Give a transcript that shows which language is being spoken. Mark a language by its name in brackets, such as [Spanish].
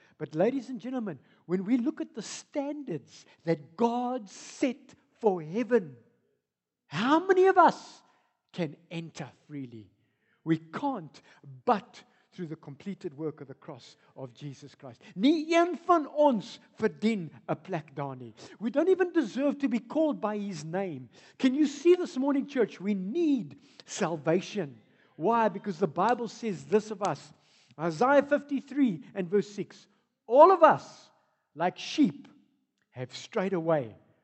[English] But ladies and gentlemen, when we look at the standards that God set for heaven, how many of us can enter freely? We can't, but through the completed work of the cross of Jesus Christ. [Afrikaans] Nie een van ons verdien 'n plek daar nie. [English] We don't even deserve to be called by his name. Can you see this morning, church? We need salvation. Why? Because the Bible says this of us. Isaiah 53 and verse 6. All of us, like sheep, have strayed away.